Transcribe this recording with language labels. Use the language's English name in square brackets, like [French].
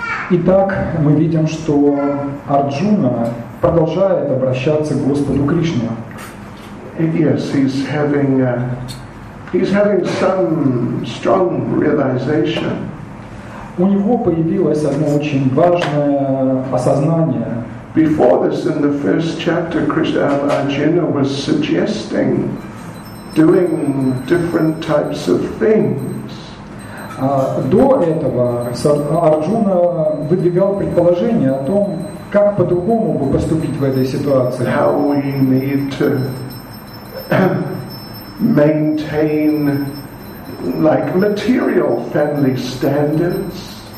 [Russian] Итак, мы видим, что Арджуна продолжает обращаться к Господу Кришне. [English] Yes, he's having some strong realization. [Russian] У него появилось одно очень важное осознание. [English] Before this, in the first chapter, Arjuna was suggesting doing different types of things. [Russian] До этого Арджуна выдвигал предположение о том, как по-другому бы поступить в этой ситуации. [English] How we need to maintain like material family standards.